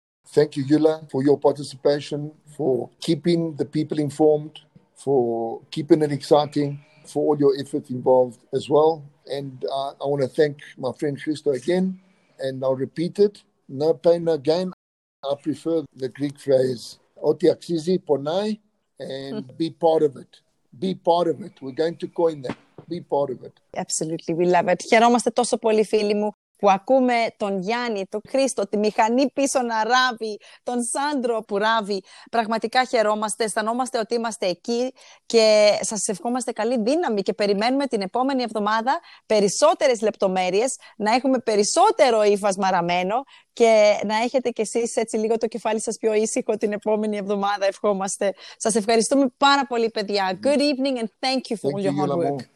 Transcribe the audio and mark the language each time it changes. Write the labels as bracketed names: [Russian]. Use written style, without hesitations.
[English] Thank you, Yula, for your participation, for keeping the people informed, for keeping it exciting, for all your effort involved as well. And I want to thank my friend Christo again, and I'll repeat it. No pain, no gain. I prefer the Greek phrase, [Greek] oti axizi ponai, [English] and be part of it. Be part of it. We're going to coin that. Be part of it. Absolutely. We love it. [Greek] Χαιρόμαστε τόσο πολύ, φίλοι μου, που ακούμε τον Γιάννη, τον Χρήστο, τη μηχανή πίσω να ράβει, τον Σάντρο που ράβει. Πραγματικά χαιρόμαστε, αισθανόμαστε ότι είμαστε εκεί και σας ευχόμαστε καλή δύναμη και περιμένουμε την επόμενη εβδομάδα περισσότερες λεπτομέρειες, να έχουμε περισσότερο ύφασμα ραμμένο και να έχετε κι εσείς έτσι λίγο το κεφάλι σας πιο ήσυχο την επόμενη εβδομάδα, ευχόμαστε. Σας ευχαριστούμε πάρα πολύ, παιδιά. [English] Good evening and thank you for all your hard work.